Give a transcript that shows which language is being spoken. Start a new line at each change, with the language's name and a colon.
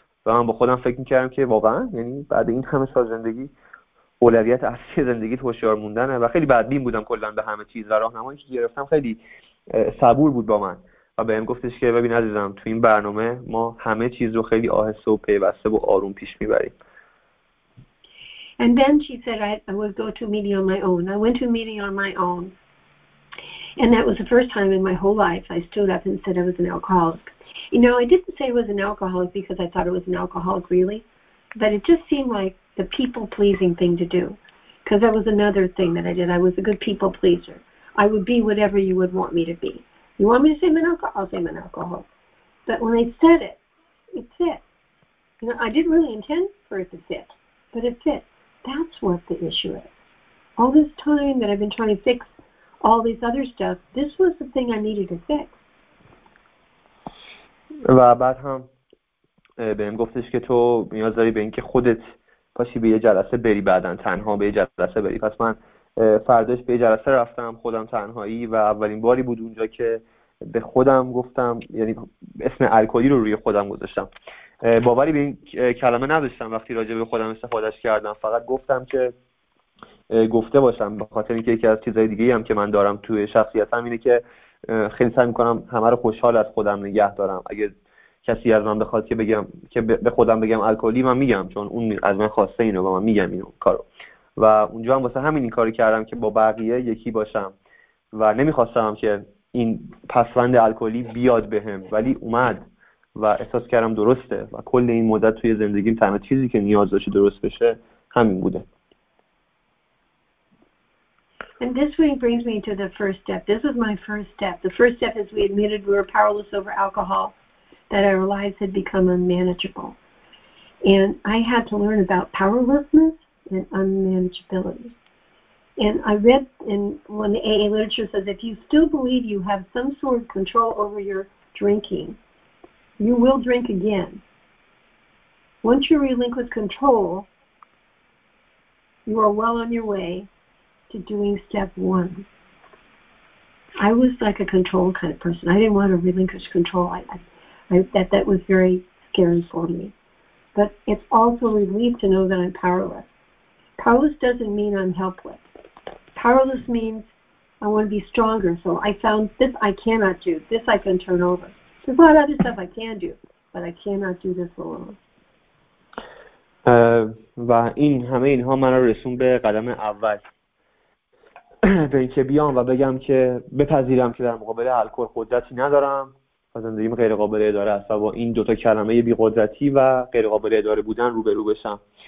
Persian: و من با خودم فکر میکردم که واقعا، یعنی بعد این همه سال زندگی اولویت اصلی زندگیت هوشیار موندنه؟ و خیلی بدبین بودم کلا به همه چیز. و راهنمایی که گرفتم خیلی صبور بود با من و به هم گفتش که ببین عزیزم، تو این برنامه ما همه چیز رو خیلی آهسته و پیوسته و آروم پیش میبریم.
English: And then she said I will go to a meeting on my own. I went to a meeting on my own. And that was the first time in my whole life I stood up and said I was an alcoholic. You know, I didn't say I was an alcoholic because I thought I was an alcoholic really. But it just seemed like the people pleasing thing to do. Because that was another thing that I did. I was a good people pleaser. I would be whatever you would want me to be. You want me to say I'm an alcoholic? I'll say I'm an alcoholic. But when I said it, it fit. You know, I didn't really intend for it to fit, but it fit. That's what the issue is. All this time that I've been trying to fix all these other stuff, this was the thing I needed to fix.
Persian: و بعد هم بهم گفتش که تو نیاز داری به اینکه خودت پاشی به یه جلسه بری، بعدن تنها به یه جلسه بری. پس من فرداش به یه جلسه رفتم خودم تنهایی و اولین باری بود اونجا که به خودم گفتم، یعنی اسم الکلی رو روی خودم گذاشتم باوری به این کلمه نداشتم وقتی راجع به خودم استفادهش کردم، فقط گفتم که گفته باشم، به خاطر اینکه یکی از چیزهای دیگه هم که من دارم توی شخصیتم اینه که خیلی سعی میکنم همه رو خوشحال از خودم نگه دارم. اگه کسی از من بخواد که بگم که به خودم بگم الکلی، من میگم، چون اون از من خواسته اینو و من میگم اینو کارو. و اونجا هم واسه همین این کارو کردم که با بقیه یکی باشم و نمیخواستم که این پسوند الکلی بیاد بهم، ولی اومد و احساس کردم درسته و کل این مدت توی زندگیم تنها چیزی که نیاز داشته درست بشه همین بوده.
English: And this really brings me to the first step. This was my first step. The first step is we admitted we were powerless over alcohol, that our lives had become unmanageable. And I had to learn about powerlessness and unmanageability. And I read in when the AA literature says, if you still believe you have some sort of control over your drinking, you will drink again. Once you relinquish control, you are well on your way to doing step one. I was like a control kind of person. I didn't want to relinquish control. That was very scary for me. But it's also a relief to know that I'm powerless. Powerless doesn't mean I'm helpless. Powerless means I want to be stronger. So I found this I cannot do. This I can turn over. There's a lot of other stuff I can do, but I cannot do this alone.
Persian: و این همه اینها من رسون به قدم اول. به این که بیام و بگم که بپذیرم که در مقابل الکل قدرتی ندارم و زندگیم غیر قابل اداره است و با این دوتا کلمه بیقدرتی و غیر قابل اداره بودن روبرو بشم.